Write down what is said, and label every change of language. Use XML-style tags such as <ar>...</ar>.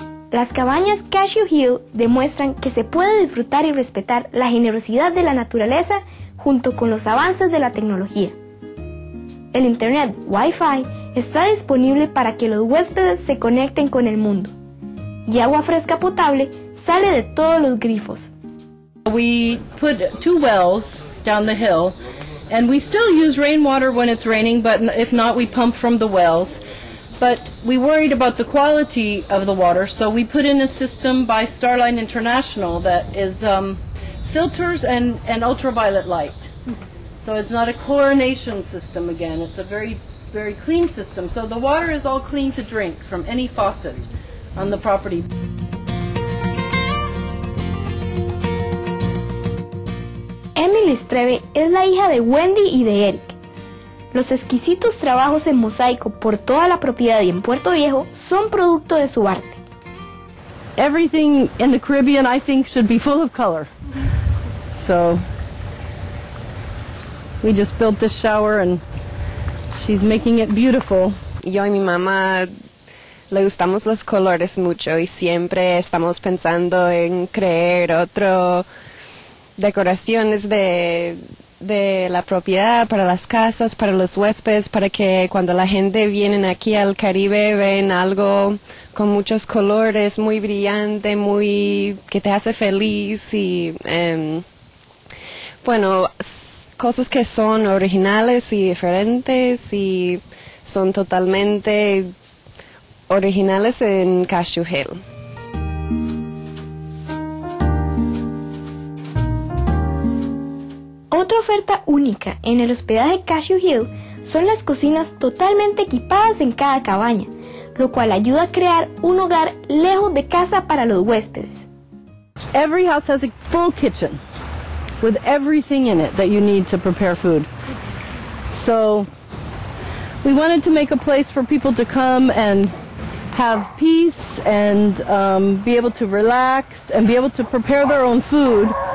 <es>Las cabañas Cashew Hill demuestran que se puede disfrutar y respetar la generosidad de la naturaleza junto con los avances de la tecnología. El internet Wi-Fi está disponible para que los huéspedes se conecten con el mundo. Y agua fresca potable sale de todos los grifos.</es> <en>We put two wells down the hill, and we still use rainwater when it's raining, but if not, we pump from the wells. But we worried about the quality of the water, so we put in a system by Starline International that is filters and ultraviolet light. So it's not a chlorination system again, it's a very, very clean system. So the water is all clean to drink from any faucet on the property.</en> <es>Emily Streve es la hija de Wendy y de Eric. Los exquisitos trabajos en mosaico por toda la propiedad y en Puerto Viejo son producto de su arte.</es> <en>Everything in the Caribbean, I think, should be full of color. So we just built this shower and she's making it beautiful.</en> <es>Yo y mi mamá le gustamos los colores mucho y siempre estamos pensando en crear otro decoraciones de la propiedad para las casas, para los huéspedes, para que cuando la gente viene aquí al Caribe ven algo con muchos colores, muy brillante, muy que te hace feliz y bueno, cosas que son originales y diferentes y son totalmente originales en Cashew Hill. Otra oferta única en el hospedaje Cashew Hill son las cocinas totalmente equipadas en cada cabaña, lo cual ayuda a crear un hogar lejos de casa para los huéspedes.</es> <en>Every house has a full kitchen with everything in it that you need to prepare food. So we wanted to make a place for people to come and have peace and be able to relax and be able to prepare their own food.</en>